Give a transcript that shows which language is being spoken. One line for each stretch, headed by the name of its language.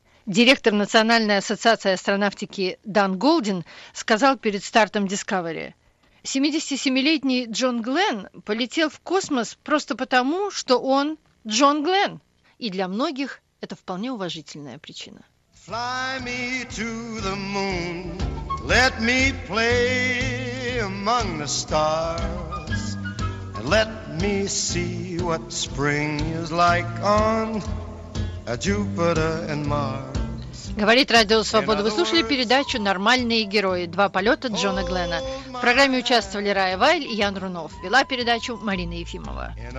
Russian: Директор Национальной ассоциации астронавтики Дан Голдин сказал перед стартом Discovery: 77-летний Джон Глен полетел в космос просто потому, что он Джон Глен. И для многих это вполне уважительная причина.
English: Fly me to the moon, let me play among the stars, and let me see what spring is like on Jupiter and Mars.
Russian: Говорит Радио Свобода. Вы слушали передачу «Нормальные герои. Два полета Джона Глена». В программе участвовали Рая Вайль и Ян Рунов. Вела передачу Марина Ефимова.